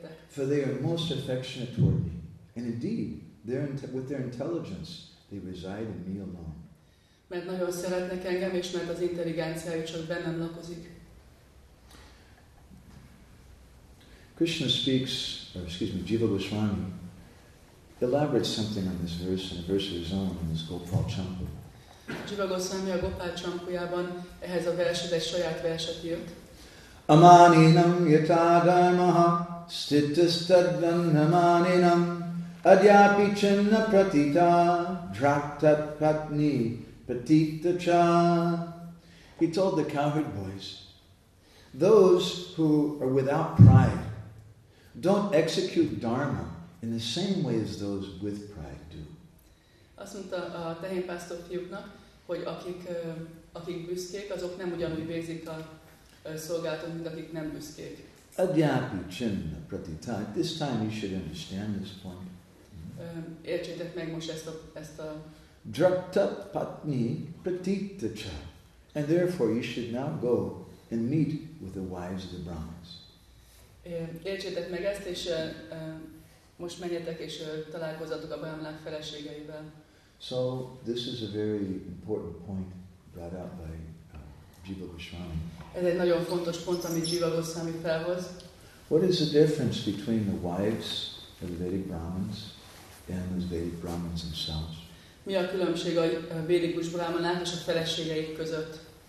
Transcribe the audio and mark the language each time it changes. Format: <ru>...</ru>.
<en>For they are most affectionate toward me. And indeed, with their intelligence, they reside in me alone.</en> <hu>Mert nagyon szeretnek engem, és mert az intelligenciájuk csak bennem lakozik.</hu> <en>Krishna speaks, or excuse me, Jiva Goswami elaborates something on this verse in a verse of his own in his Gopal Champu.</en> <hu>Jiva Goswami a Gopal Champujában ehhez a verset egy saját verset írt.</hu> <sa>Amaninam yata dharmaha stittastadvannamaninam adyapi chinna pratita draktat patni patita cha.</sa> <en>He told the cowherd boys, those who are without pride don't execute dharma in the same way as those with pride do.</en> <hu>Azt mondta a tehénpásztor fiúknak, hogy akik büszkék, azok nem ugyanúgy végzik a szolgálatot, mint akik nem büszkék.</hu> <sa>Adyapi chinna pratita.</sa> <en>This time you should understand this point.</en> <hu>Értsétek meg most ezt a</hu> <sa>drakta patni pratita cha.</sa> <en>And therefore you should now go and meet with the wives of the Brahmins.</en> <hu>Értsétek meg ezt, és most menjetek, és találkozzatok a Brahmanák feleségeivel.</hu> <en>So, this is a very important point brought out by Jiva Goswami.</en> <hu>Ez egy nagyon fontos pont, amit Jiva Goswami felhoz.</hu> <en>What is the difference between the wives of the Vedic Brahmins and the Vedic Brahmins themselves?</en> <hu>Mi a különbség a védikus Brahmanák és a feleségeik között?</hu>